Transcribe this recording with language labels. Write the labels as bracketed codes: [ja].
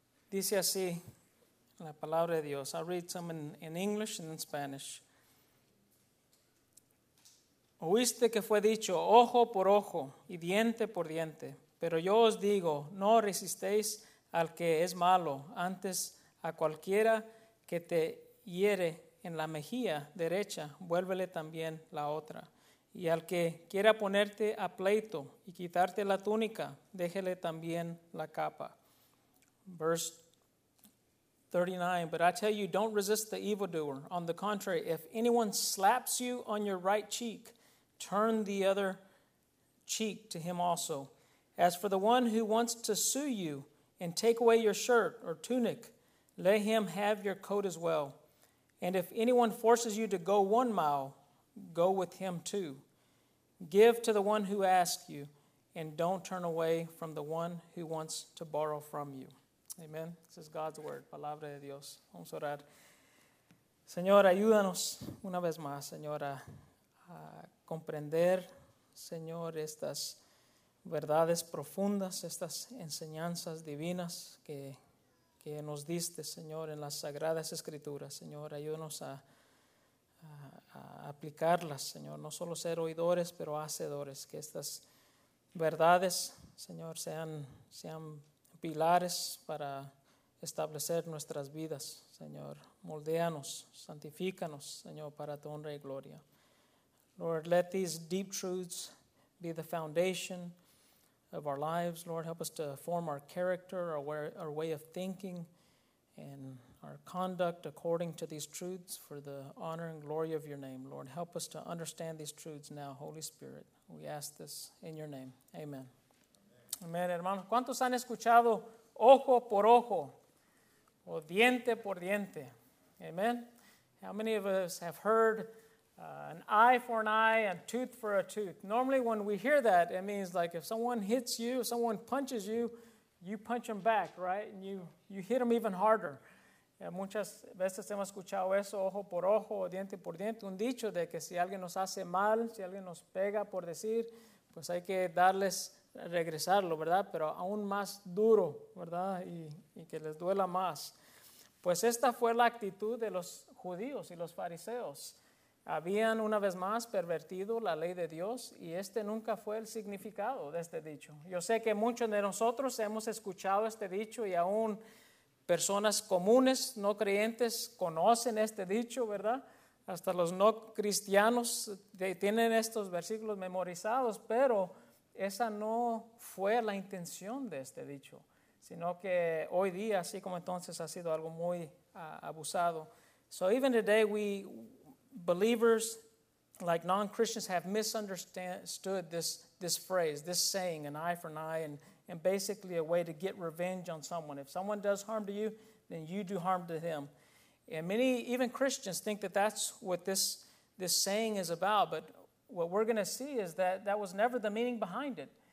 [es] Dice así la palabra de Dios. [en] I'll read some in English and in Spanish. [es] Oíste que fue dicho, ojo por ojo y diente por diente. Pero yo os digo, no resistéis al que es malo, antes a cualquiera que te hiere en la mejilla derecha, vuélvele también la otra. Y al que quiera ponerte a pleito y quitarte la túnica, déjele también la capa. [en] Verse 39, but I tell you, don't resist the evildoer. On the contrary, if anyone slaps you on your right cheek, turn the other cheek to him also. As for the one who wants to sue you and take away your shirt or tunic, let him have your coat as well. And if anyone forces you to go 1 mile, go with him too. Give to the one who asks you, and don't turn away from the one who wants to borrow from you. [es] Amen. [en] This is God's word. [es] Palabra de Dios. Vamos a orar. Señor, ayúdanos una vez más, Señor, a comprender, Señor, estas verdades profundas, estas enseñanzas divinas que nos diste, Señor, en las Sagradas Escrituras. Señor, ayúdanos a aplicarlas, Señor, no solo ser oidores, pero hacedores. Que estas verdades, Señor, sean pilares para establecer nuestras vidas, Señor. Moldéanos, santifícanos, Señor, para tu honra y gloria. [en] Lord, let these deep truths be the foundation of our lives. Lord, help us to form our character, our way of thinking, and our conduct according to these truths for the honor and glory of your name. Lord, help us to understand these truths now, Holy Spirit. We ask this in your name. Amen. [es] Amen, hermanos. ¿Cuántos han escuchado ojo por ojo o diente por diente? Amen. [en] How many of us have heard an eye for an eye, a tooth for a tooth? Normally when we hear that, it means like if someone hits you, someone punches you, you punch them back, right? And you hit them even harder. [es] Muchas veces hemos escuchado eso, ojo por ojo, diente por diente, un dicho de que si alguien nos hace mal, si alguien nos pega por decir, pues hay que darles, regresarlo, ¿verdad? Pero aún más duro, ¿verdad? Y que les duela más. Pues esta fue la actitud de los judíos y los fariseos. Habían una vez más pervertido la ley de Dios y este nunca fue el significado de este dicho. Yo sé que muchos de nosotros hemos escuchado este dicho y aún personas comunes, no creyentes, conocen este dicho, ¿verdad? Hasta los no cristianos tienen estos versículos memorizados, pero esa no fue la intención de este dicho, sino que hoy día, así como entonces, ha sido algo muy abusado. [en] So even today, we believers, like non-Christians, have misunderstood this phrase, this saying, an eye for an eye, and basically a way to get revenge on someone. If someone does harm to you, then you do harm to them. And many, even Christians, think that that's what this saying is about, but what we're going to see is that was never the meaning behind it.